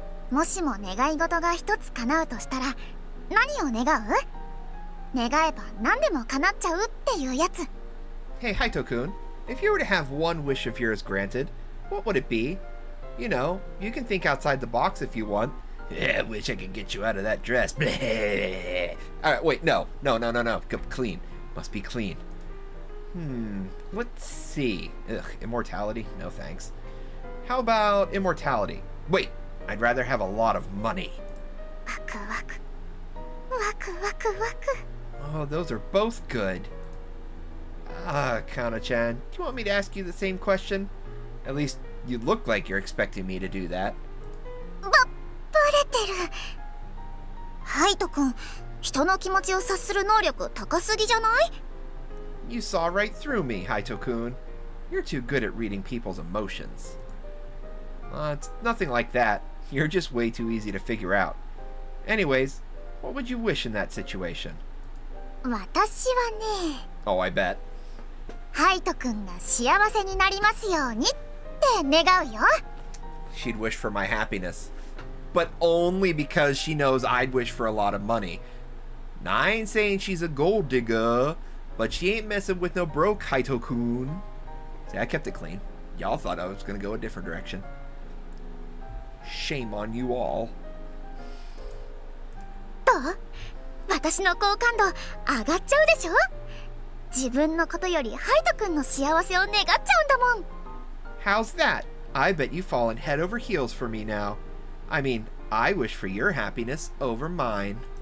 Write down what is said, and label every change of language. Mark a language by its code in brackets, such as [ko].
[ja] もしも願い事が一つ叶うとしたら、何を願う? 願えば何でも叶っちゃうっていうやつ。 [en] Hey, Haito-kun. If you were to have one wish of yours granted, what would it be? You know, you can think outside the box if you want. Yeah, I wish I could get you out of that dress. Alright, wait, no. Clean. Must be clean. Let's see. Ugh, immortality? No thanks. How about immortality? Wait, I'd rather have a lot of money. [ja] Waku waku. Waku waku waku. [en] Oh, those are both good. Kana-chan, do you want me to ask you the same question? At least, you look like you're expecting me to do that. [ja] バレてる!Haito-kun, 人の気持ちを察する能力高すぎじゃない? [en] You saw right through me, Haito-kun. You're too good at reading people's emotions. It's nothing like that. You're just way too easy to figure out. Anyways, what would you wish in that situation? [ja] 私はね... [en] Oh, I bet. [ja] ハイト君が幸せになりますようにって願うよ! [en] She'd wish for my happiness. But only because she knows I'd wish for a lot of money. Now, I ain't saying she's a gold digger, but she ain't messing with no broke Haito-kun. See, I kept it clean. Y'all thought I was gonna go a different direction. Shame on you all. [ja] どう?私の好感度上がっちゃうでしょ?自分のことよりハイト君の幸せを願っちゃうんだもん! [en] How's that? I bet you've fallen head over heels for me now. I mean, I wish for your happiness over mine.